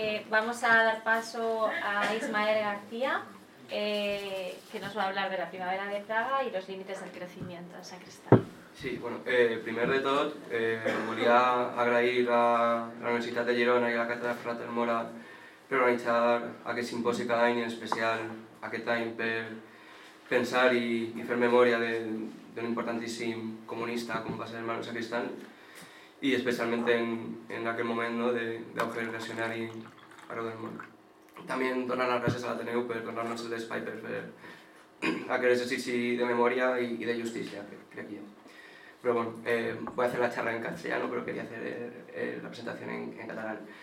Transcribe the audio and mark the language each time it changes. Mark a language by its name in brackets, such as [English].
[Spanish] Vamos a dar paso a Ismael García, que nos va a hablar de la primavera de Praga y los límites del crecimiento en San Cristóbal. [Catalan] Sí, bueno, primer de tot, volia agrair a la Universitat de Girona i a la Càtedra Frater Mora per organitzar aquest simposi cada any, en especial aquest any per pensar i fer memòria d'un importantíssim comunista com va ser el Manuel Sacristán i especialment en aquest moment, no, d'auge reaccionari arreu del món. També donar les gràcies a l'Ateneu per donar-nos l'espai per fer aquest exercici de memòria i de justícia, crec jo. [Spanish] Pero bueno, voy a hacer la charla en castellano, pero quería hacer la presentación en catalán.